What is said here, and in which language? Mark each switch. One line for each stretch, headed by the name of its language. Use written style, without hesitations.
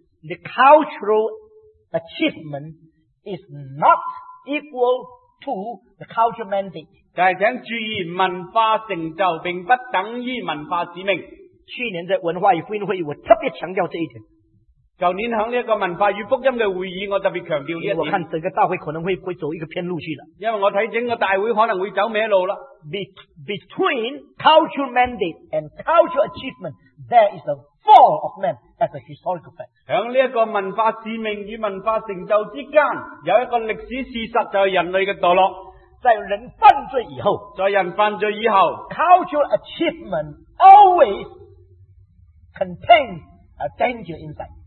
English: The cultural achievement is not equal to the cultural mandate.
Chinese: 但是请注意，文化成就并不等于文化使命。去年的文化与福音会议，我特别强调这一点。去年在这个文化与福音的会议，我特别强调这一点。我看整个大会可能会走一个偏路去了。因为我看整个大会可能会走歪路了。
English: Between cultural mandate and cultural achievement, there is a fall of man. As a historical fact.
Chinese: 在这个文化使命与文化成就之间，有一个历史事实，就是人类的堕落。在人犯罪以后，在人犯罪以后
English: ，cultural achievement always contains a danger inside.